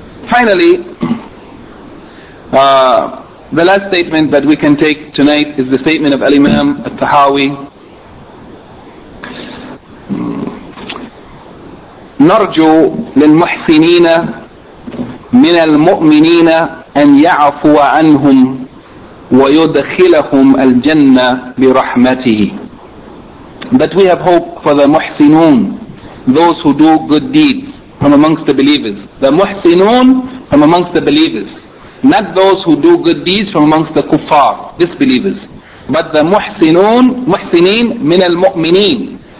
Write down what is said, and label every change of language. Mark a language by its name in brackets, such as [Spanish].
[English] Finally, the last statement that we can take tonight is the statement of al-Imam al-Tahawi. [Arabic] نرجو للمحسنين من المؤمنين أن يعفو عنهم ويدخلهم الجنة برحمته. [English] But we have hope for the muhsinun, those who do good deeds from amongst the believers. The muhsinun from amongst the believers. Not those who do good deeds from amongst the kuffar, disbelievers. But the muhsinun, [Arabic] muhsinin min al-mu'mineen.